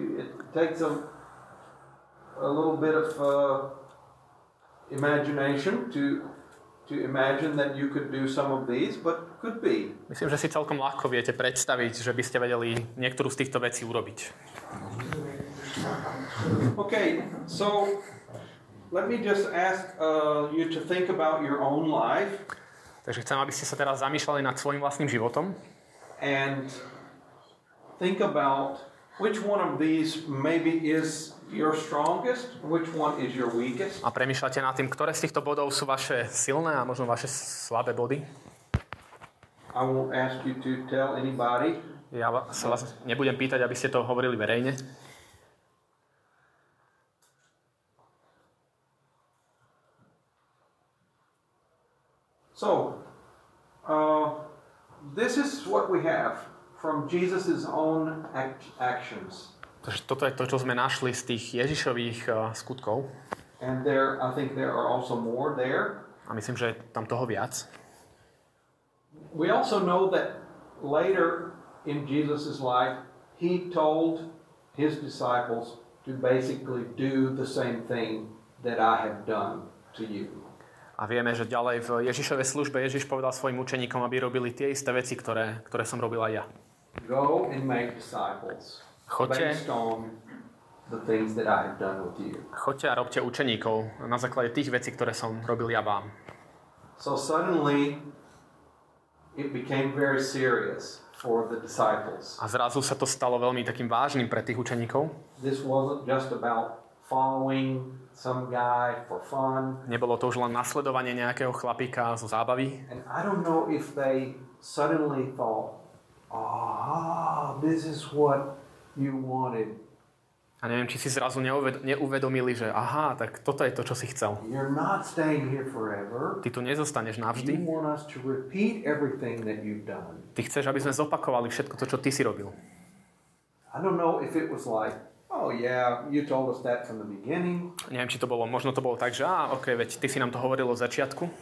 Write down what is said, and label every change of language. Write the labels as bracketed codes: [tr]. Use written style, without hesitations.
[en] It takes a little bit of imagination to imagine that you could do some of these, but could be. [sk] Myslím, že si celkom ľahko viete predstaviť, že by ste vedeli niektorú z týchto vecí urobiť. [en] Okay, so let me just ask you to think about your own life. [sk] Takže chcem, aby ste sa teraz zamýšľali nad svojím vlastným životom. [en] And think about which one of these maybe is your strongest, which one is your weakest. [sk] A premýšľate nad tým, ktoré z týchto bodov sú vaše silné a možno vaše slabé body. [en] I won't ask you to tell anybody. [sk] Ja sa vás nebudem pýtať, aby ste to hovorili verejne. [en] So, this is what we have from Jesus's own actions. [sk] Takže toto je to, čo sme našli z tých Ježišových skutkov. [en] And there, I think there are also more there. [sk] A myslím, že je tam toho viac. [en] We also know that later in Jesus's life, he told his disciples to basically do the same thing that I have done to you. [sk] A vieme, že ďalej v Ježišovej službe Ježiš povedal svojim učeníkom, aby robili tie isté veci, ktoré som robil aj ja. [en] Go and make disciples. [sk] Choďte, [en] based on the things that I have done with you. [sk] Choďte a robte učeníkov na základe tých vecí, ktoré som robil ja vám. [en] So suddenly it became very serious for the disciples. [sk] A zrazu sa to stalo veľmi takým vážnym pre tých učeníkov. [en] This wasn't just about following some guy for fun. [sk] Nebolo to už len nasledovanie nejakého chlapíka zo zábavy. [en] And I don't know if they suddenly thought, ah, this is what you wanted [sk] A neviem, či si zrazu neuvedomili, že aha, tak toto je to, čo si chcel. [en] You're not staying here forever. [sk] Ty tu nezostaneš navždy. [en] You want us to repeat everything that you've done. [sk] Ty chceš, aby sme zopakovali všetko to, čo ty si robil. [en] I don't know if it was like, oh yeah, you told us that from the beginning. [sk] Neviem, či to bolo, možno to bolo tak, že okay, veď ty si nám to hovoril od začiatku.